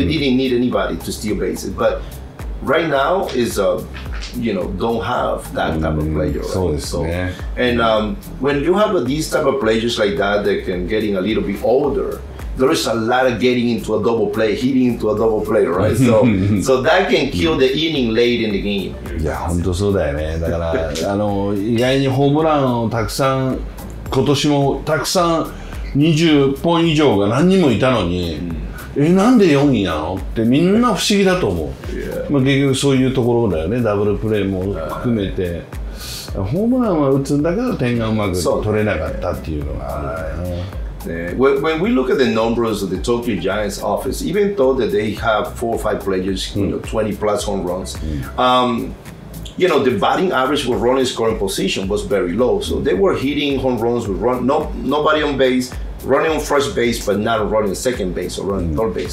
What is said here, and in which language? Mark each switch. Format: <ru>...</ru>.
<en>We didn't need anybody to steal bases. But right now is a you know, don't have that type of player. So, right? So, and when you have these type of players like that, that can getting a little bit older, there is a lot of getting into a double play, hitting into a double play, right? So, so that can kill the inning late in the game.</en> <ja>Yeah, 本当そうだよね。だから、あの、意外にホームランをたくさん、今年もたくさん20本以上が何人もいたのに、え、なんで4位なのってみんな不思議だと思う。まあ、結局そういうところだよね、ダブルプレーも含めて、ホームランは打つんだけど、点がうまく取れなかったっていうのが、</ja> <en>When we look at the numbers of the Tokyo Giants office, even though that they have four or five players, you know, 20 plus home runs, you know, the batting average with running scoring position was very low. So they were hitting home runs with run, no, nobody on base, running on first base, but not running second base or running third base.</en>